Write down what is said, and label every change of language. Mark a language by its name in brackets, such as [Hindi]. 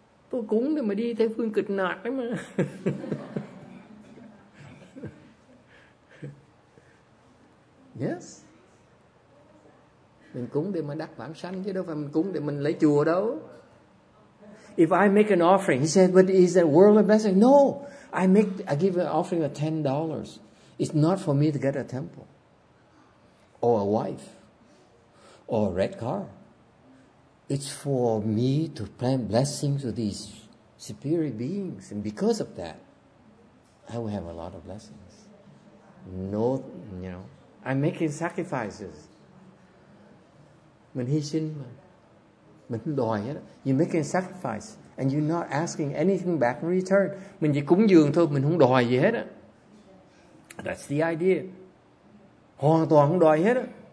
[Vietnamese] Tôi cúng để mà đi theo phương cực nạn đấy mà. [English] Yes. [Vietnamese] Mình cúng để mà đắc vãng sanh chứ đâu phải mình cúng để mình lấy chùa đâu. [English] If I make an offering, he said, but is that worldly blessing? No, I give an offering of $10. It's not for me to get a temple, or a wife, or a red car. It's for me to plant blessings to these superior beings, and because of that, I will have a lot of blessings. No, you know, I'm making sacrifices. [Vietnamese] Mình hy sinh mà. Mình đòi hết. [English] You're making a sacrifice and you're not asking anything back in return. [Vietnamese] Mình chỉ cúng dường thôi, mình không đòi gì hết á. [English] That's the idea. [Vietnamese] Hoàn toàn không đòi hết á.